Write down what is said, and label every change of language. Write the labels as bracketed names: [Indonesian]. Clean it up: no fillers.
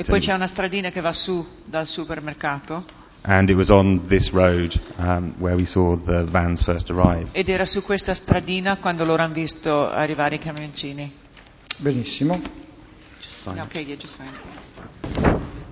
[Italian] E poi c'è una stradina che va su dal supermercato. [English] And it was on this road where we saw the vans first arrive. [Italian] Ed era su questa stradina quando loro hanno visto arrivare i camioncini. Benissimo. [English] Just signed.